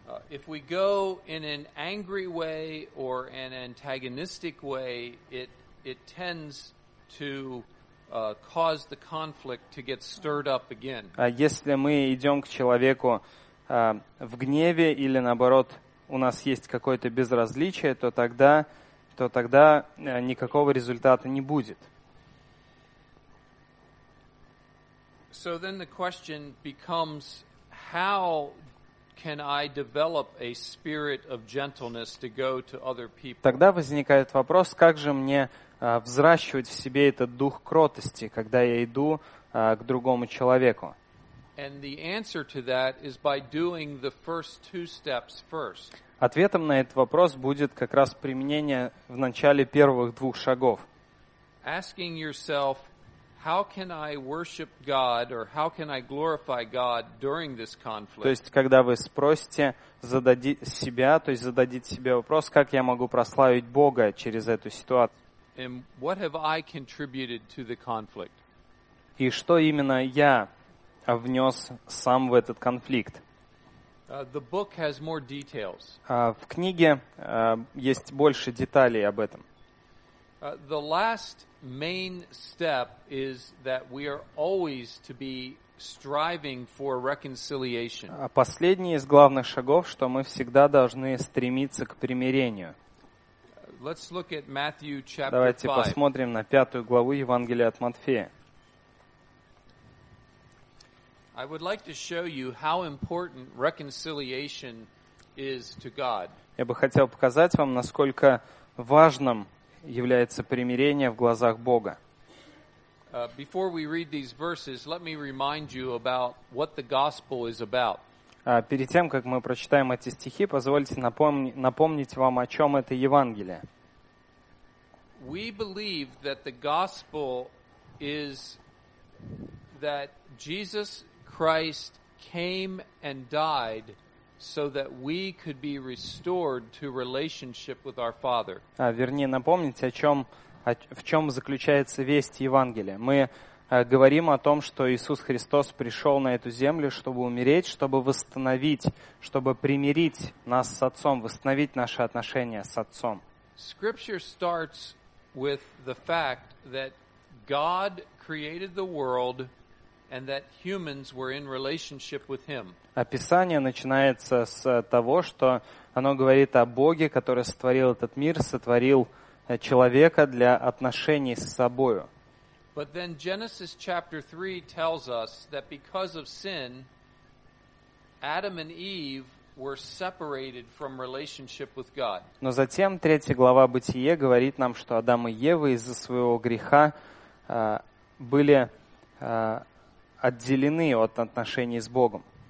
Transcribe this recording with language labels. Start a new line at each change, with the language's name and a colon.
English: If we go in an angry way or an antagonistic way, it tends to cause the conflict to get stirred up again.
Russian: Если мы идем к человеку в гневе или наоборот у нас есть какое-то безразличие, то тогда никакого результата не будет.
English: So then the question becomes, how can I develop a spirit of gentleness to go to other people?
Russian: Тогда возникает вопрос, как же мне взращивать в себе этот дух кротости, когда я иду к другому человеку. Ответом на этот вопрос будет как раз применение в начале первых двух шагов.
English: Asking yourself, how can I worship God or how can I glorify God during this conflict?
Russian: То есть, когда вы спросите, зададите себе вопрос, как я могу прославить Бога через эту ситуацию.
English: And what have I contributed to the conflict?
Russian: И что именно я внес сам в этот конфликт?
English: The book has more details.
Russian: В книге есть больше деталей об этом.
English: The last main step is that we are always to be striving for reconciliation.
Russian: Последний из главных шагов, что мы всегда должны стремиться к примирению.
English: Let's look at Matthew chapter 5.
Russian: Давайте посмотрим на пятую главу Евангелия от Матфея.
English: I would like to show you how important reconciliation is to God.
Russian: Я бы хотел показать вам, насколько важным является примирение в глазах Бога.
English: Before we read these verses, let me remind you about what the gospel is about.
Russian: Перед тем, как мы прочитаем эти стихи, позвольте напомнить вам, о чем это Евангелие.
English: We believe that the gospel is that Jesus Christ came and died so that we could be restored to relationship with our Father.
Russian: Вернее, напомните, в чем заключается весть Евангелия. Мы говорим о том, что Иисус Христос пришел на эту землю, чтобы умереть, чтобы восстановить, чтобы примирить нас с Отцом, восстановить наши отношения с Отцом.
English: Scripture starts with the fact that God created the world and that humans were in relationship with Him.
Russian: Описание начинается с того, что оно говорит о Боге, который сотворил этот мир, сотворил человека для отношений с собою.
English: But then Genesis chapter 3 tells us that because of sin, Adam and Eve were separated from relationship with God.
Russian: Но затем третья глава Бытие говорит нам, что Адам и Ева из-за своего греха были отделены от отношений с Богом.